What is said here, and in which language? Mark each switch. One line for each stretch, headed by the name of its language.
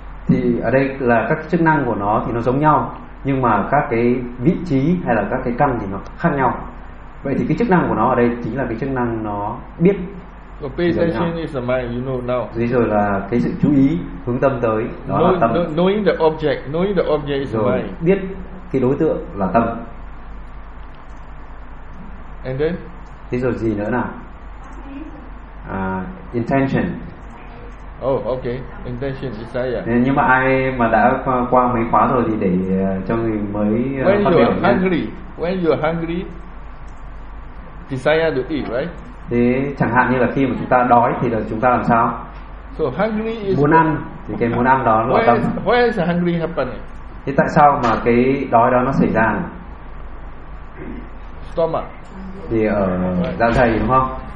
Vietnamese: Thì ở đây là các chức năng của nó thì nó giống nhau, nhưng mà các cái vị trí hay là các cái căn thì nó khác nhau. Vậy thì cái chức năng của nó ở đây chính là cái chức năng nó biết.
English: So pay attention is the mind, you know now.
Vietnamese: Thế rồi là cái sự chú ý hướng tâm tới, đó
English: knowing,
Vietnamese: là tâm.
English: Knowing the object is
Vietnamese: rồi
English: the mind.
Vietnamese: Biết cái đối tượng là tâm.
English: And then?
Vietnamese: Thế rồi gì nữa nào?
English: Intention. Oh, okay. Intention is there. Yeah.
Vietnamese: Nhưng mà ai mà đã qua mấy khóa rồi thì để cho người mới
English: when
Vietnamese: phát biểu
English: hungry, when you're hungry, desire to eat, right?
Vietnamese: Thế chẳng hạn như là khi mà chúng ta đói thì là chúng ta làm sao?
English: So hungry is
Vietnamese: muốn ăn, thì cái muốn ăn đó là tâm.
English: Why is hungry happening?
Vietnamese: Thế tại sao mà cái đói đó nó xảy ra?
English: Stomach.
Vietnamese: Thì ở dạ dày đúng không?